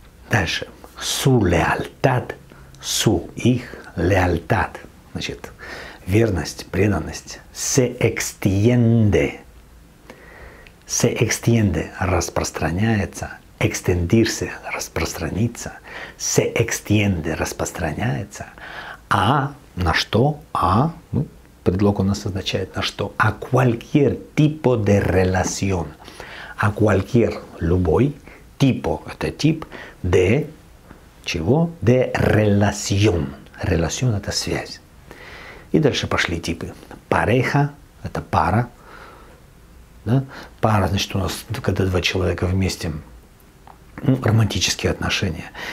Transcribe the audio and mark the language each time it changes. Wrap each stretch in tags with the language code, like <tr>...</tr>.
<ru>Дальше,</ru> <es>su lealtad,</es> <ru>su, их, lealtad, значит, верность, преданность,</ru> <es>se extiende,</es> <ru>распространяется, extendirse, распространиться, se extiende, распространяется, а на что? А, ну, предлог у нас означает на что?</ru> <es>A cualquier tipo de relación. A cualquier,</es> <ru>любой,</ru> <es>tipo,</es> <ru>это тип,</ru> <es>de, чего? De relación. Relación,</es> <ru>это связь. И дальше пошли типы.</ru> <es>Pareja,</es> <ru>это пара. Да? Пара, значит, у нас, когда два человека вместе, ну, романтические отношения.</ru>